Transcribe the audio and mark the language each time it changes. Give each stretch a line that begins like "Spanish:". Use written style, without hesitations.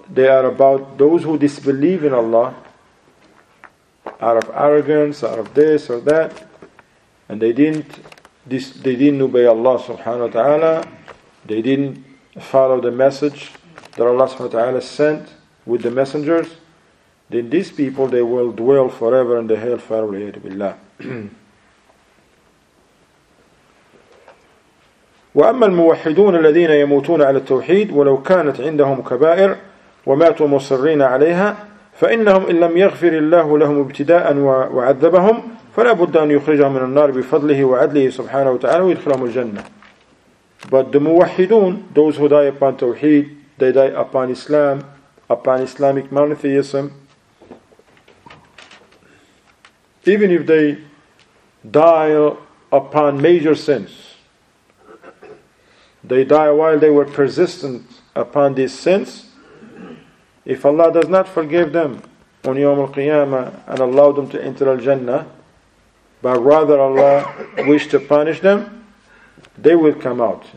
English: They are about those who disbelieve in Allah, out of arrogance, out of this or that, and they didn't obey Allah subhanahu wa ta'ala, they didn't follow the message that Allah subhanahu wa ta'ala sent with the messengers, then these people, they will dwell forever in the hellfire, wa'iyadu billah.
Arabic: وأما الموحدون الذين يموتون على التوحيد ولو كانت عندهم كبائر وماتوا مصرين عليها فإنهم إن لم يغفر الله لهم ابتداء وعذبهم فلا بد أن يخرجهم من النار بفضله وعدله سبحانه وتعالى ويدخلهم الجنة.
English: But the muwahidun, those who die upon tawheed, they die upon Islam, upon Islamic monotheism, even if they die upon major sins, they die while they were persistent upon these sins, if Allah does not forgive them on Yawm al-Qiyamah and allow them to enter al-Jannah, but rather Allah wish to punish them, they will come out.